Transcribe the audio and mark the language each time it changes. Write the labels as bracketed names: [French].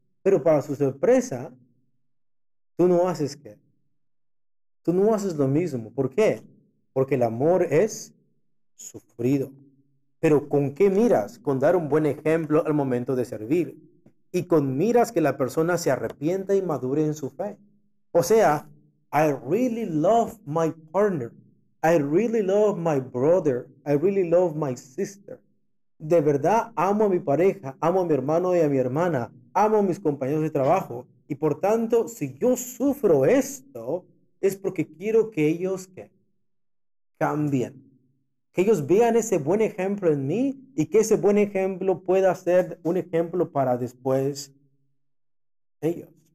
[Spanish] Pero para su sorpresa, tú no haces qué. Tú no haces lo mismo. ¿Por qué? Porque el amor es sufrido. Pero ¿con qué miras? Con dar un buen ejemplo al momento de servir. Y con miras que la persona se arrepienta y madure en su fe. [English] O sea, I really love my partner. I really love my brother. I really love my sister. [Spanish] De verdad amo a mi pareja, amo a mi hermano y a mi hermana, amo a mis compañeros de trabajo. Y por tanto, si yo sufro esto, es porque quiero que ellos ¿qué? Cambien. Que ellos vean ese buen ejemplo en mí y que ese buen ejemplo pueda ser un ejemplo para después ellos.